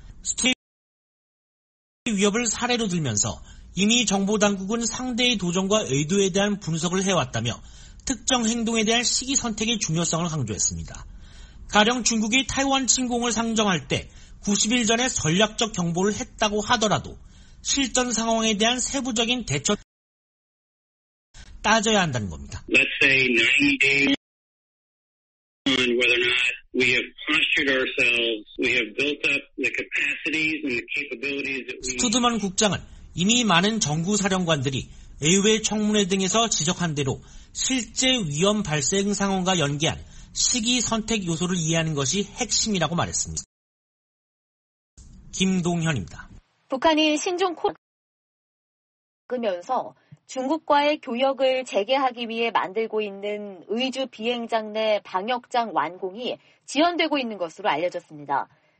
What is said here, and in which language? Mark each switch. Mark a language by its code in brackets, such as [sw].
[ko] 스튜디오의 위협을 사례로 들면서 이미 정보당국은 상대의 도전과 의도에 대한 분석을 해왔다며 특정 행동에 대한 시기 선택의 중요성을 강조했습니다. 가령 중국이 타이완 침공을 상정할 때 90일 전에 전략적 경보를 했다고 하더라도 실전 상황에 대한 세부적인 대처 따져야 한다는 겁니다. [en] Let's say 90 days on whether or not we have postured ourselves, we have built up the capacities and the capabilities that we. [ko] 스튜드먼 국장은 이미 많은 정부 사령관들이 의회 청문회 등에서 지적한 대로 실제 위험 발생 상황과 연계한 시기 선택 요소를 이해하는 것이 핵심이라고 말했습니다. 김동현입니다. 북한이 신종 코로나면서 중국과의 교역을 재개하기 위해 만들고 있는 의주 비행장 내 방역장 완공이 지연되고 있는 것으로 알려졌습니다.